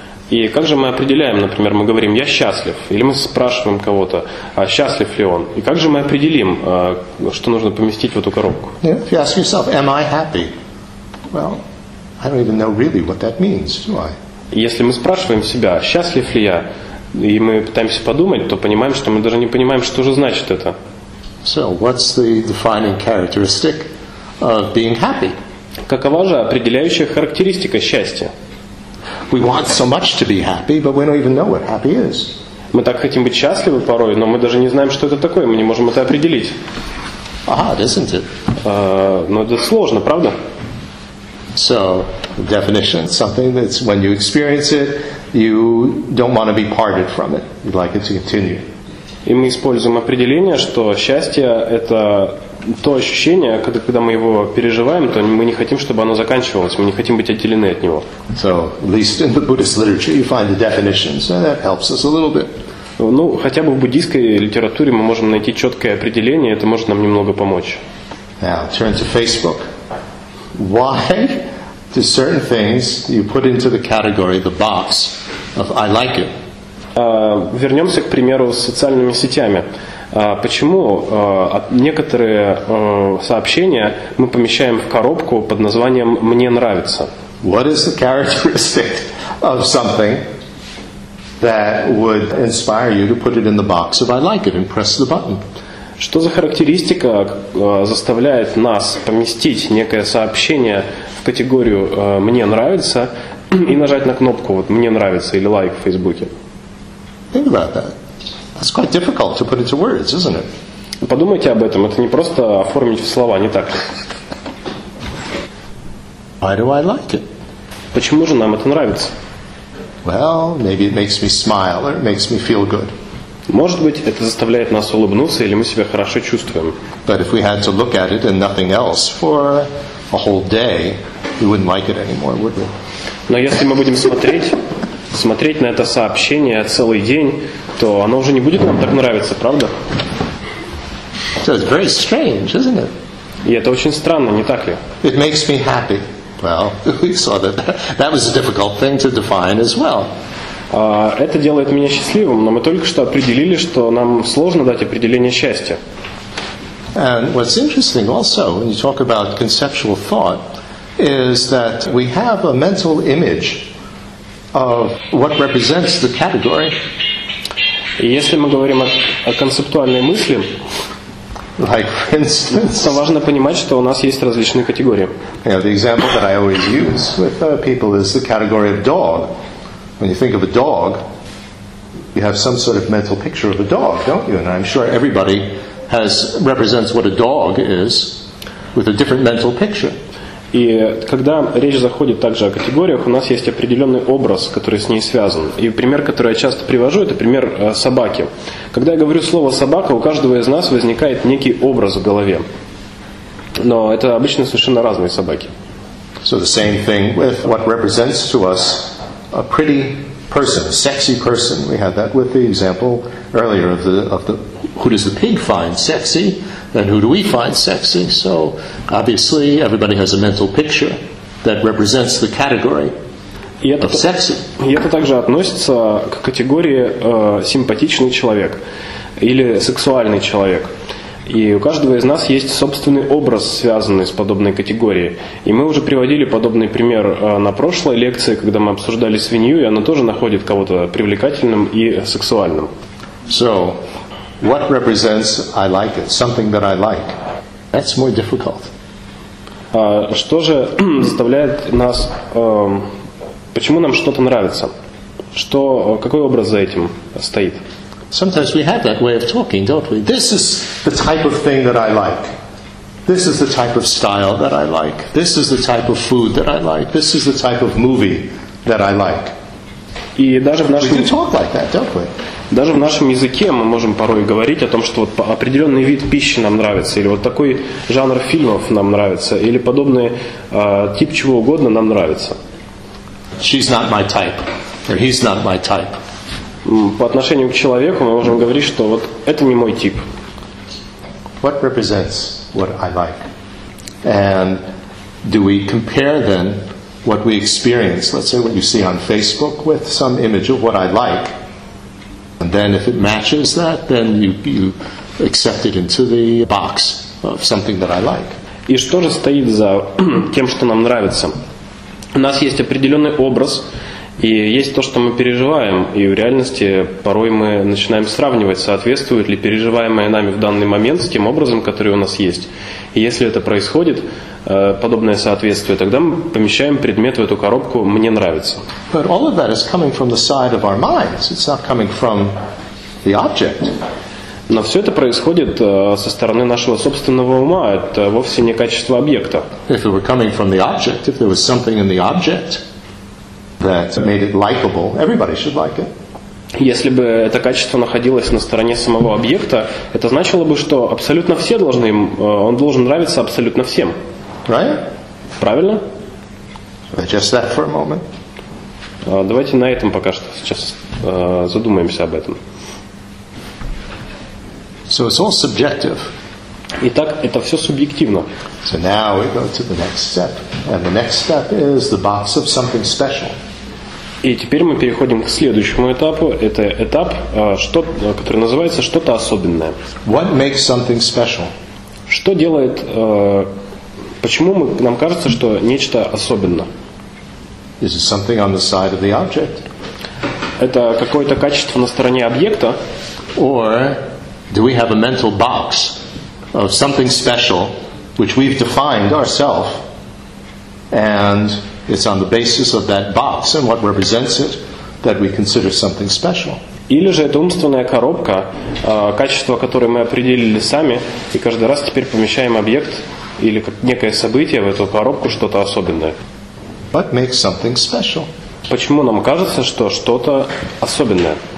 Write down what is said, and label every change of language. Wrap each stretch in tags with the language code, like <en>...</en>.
<ru>И как же мы определяем, например, мы говорим «я счастлив», или мы спрашиваем кого-то, а счастлив ли он? И как же мы определим, что нужно поместить в эту коробку?</ru> <en>If you ask yourself, am I happy? Well, I don't even know really what that means, do I?</en> <ru>Если мы спрашиваем себя, счастлив ли я, и мы пытаемся подумать, то понимаем, что мы даже не понимаем, что же значит это.</ru> <en>So, what's the defining characteristic of being happy?</en> <ru>Какова же определяющая характеристика счастья?</ru> <en>We want so much to be happy, but we don't even know what happy is.</en> <ru>Мы так хотим быть счастливы порой, но мы даже не знаем, что это такое, мы не можем это определить.</ru> <en>Odd, isn't it?</en> <ru>Но это сложно, правда?</ru> <en>So, definition, something that's when you experience it, you don't want to be parted from it. You'd like it to continue.</en> <ru>И мы используем определение, что счастье – это то ощущение, когда мы его переживаем, то мы не хотим, чтобы оно заканчивалось, мы не хотим быть отделены от него.</ru> <en>So, at least in the Buddhist literature, you find the definitions, and that helps us a little bit.</en> <ru>Ну, хотя бы в буддийской литературе мы можем найти четкое определение, это может нам немного помочь.</ru> <en>Now, turn to Facebook. Why do certain things you put into the category, the box of I like it?</en> <ru>Вернемся к примеру с социальными сетями. Почему некоторые сообщения мы помещаем в коробку под названием «мне нравится»?</ru> <en>What is the characteristic of something that would inspire you to put it in the box of I like it and press the button?</en> <ru>Что за характеристика заставляет нас поместить некое сообщение в категорию «мне нравится» и нажать на кнопку вот «мне нравится» или «лайк» в Фейсбуке?</ru> <en>Think about that. That's quite difficult to put into words, isn't it?</en> <ru>Подумайте об этом. Это не просто оформить в слова, не так ли?</ru> <en>Why do I like it?</en> <ru>Почему же нам это нравится?</ru> <en>Well, maybe it makes me smile or it makes me feel good.</en> <ru>Может быть, это заставляет нас улыбнуться или мы себя хорошо чувствуем.</ru> <en>But if we had to look at it and nothing else for a whole day, we wouldn't like it anymore, would we?</en> <ru>Но если мы будем смотреть на это сообщение целый день, то оно уже не будет нам так нравиться, правда?</ru> <en>So it's very strange, isn't it?</en> <ru>И это очень странно, не так ли?</ru> <en>It makes me happy. Well, we saw that was a difficult thing to define as well.</en> <ru>Это делает меня счастливым, но мы только что определили, что нам сложно дать определение счастья.</ru> <en>And what's interesting also, when you talk about conceptual thought, is that we have a mental image of what represents the category.</en> <ru>Если мы говорим о концептуальной мысли,</ru> <en>like for instance,</en> <ru>то важно понимать, что у нас есть различные категории.</ru> <en>You know, the example that I always use with people is the category of dog. When you think of a dog, you have some sort of mental picture of a dog, don't you? And I'm sure everybody represents what a dog is with a different mental picture.</en> <ru>И когда речь заходит также о категориях, у нас есть определенный образ, который с ней связан. И пример, который я часто привожу, это пример собаки. Когда я говорю слово «собака», у каждого из нас возникает некий образ в голове. Но это обычно совершенно разные собаки.</ru> <en>So the same thing with what represents to us a pretty person, a sexy person. We had that with the example earlier of the who does the pig find sexy? And who do we find sexy? So, obviously, everybody has a mental picture that represents the category of sexy.</en> <ru>И это также относится к категории симпатичный человек или сексуальный человек. И у каждого из нас есть собственный образ, связанный с подобной категорией. И мы уже приводили подобный пример на прошлой лекции, когда мы обсуждали свинью, и она тоже находит кого-то привлекательным и сексуальным.</ru> <en>So, what represents I like it, something that I like? That's more difficult.</en> <ru>Что же заставляет нас, почему нам что-то нравится? Что, какой образ за этим стоит?</ru> <en>Sometimes we have that way of talking, don't we? This is the type of thing that I like. This is the type of style that I like. This is the type of food that I like. This is the type of movie that I like.</en> <ru>И даже в нашем...</ru> <en>We can talk like that, don't we?</en> <ru>Даже в нашем языке мы можем порой говорить о том, что вот определенный вид пищи нам нравится, или вот такой жанр фильмов нам нравится, или подобный тип чего угодно нам нравится.</ru> <en>She's not my type, or he's not my type.</en> <ru>По отношению к человеку мы можем говорить, что вот это не мой тип.</ru> <en>What represents what I like? And do we compare then what we experience, let's say what you see on Facebook, with some image of what I like? And then if it matches that, then you accept it into the box of something that I like.</en> <ru>И что же стоит за тем, что нам нравится? У нас есть определенный образ, и есть то, что мы переживаем, и в реальности порой мы начинаем сравнивать, соответствует ли переживаемое нами в данный момент с тем образом, который у нас есть. И если это происходит, подобное соответствие, тогда мы помещаем предмет в эту коробку «мне нравится».</ru> <en>But all of that is coming from the side of our minds. It's not coming from the object.</en> <ru>Но все это происходит со стороны нашего собственного ума. Это вовсе не качество объекта.</ru> <en>If it were coming from the object, if there was something in the object that made it likable, everybody should like it.</en> <ru>Если бы это качество находилось на стороне самого объекта, это значило бы, что абсолютно все должны им, он должен нравиться абсолютно всем.</ru> <en>Right?</en> <ru>Правильно?</ru> <en>Just that for a moment.</en> <ru>Давайте на этом пока что сейчас задумаемся об этом.</ru> <en>So it's all subjective.</en> <ru>Итак, это все субъективно.</ru> <en>So now we go to the next step. And the next step is the box of something special.</en> <ru>И теперь мы переходим к следующему этапу. Это этап, который называется «что-то особенное».</ru> <en>What makes something special?</en> <ru>Что делает... почему нам кажется, что нечто особенно?</ru> <en>Is it something on the side of the object?</en> <ru>Это какое-то качество на стороне объекта?</ru> <en>Or do we have a mental box of something special which we've defined ourselves and it's on the basis of that box and what represents it that we consider something special?</en> <ru>Или же это умственная коробка, качество которой мы определили сами и каждый раз теперь помещаем объект или как некое событие в эту коробку, что-то особенное.</ru> <en>What makes something special?</en> <ru>Почему нам кажется, что что-то особенное?</ru>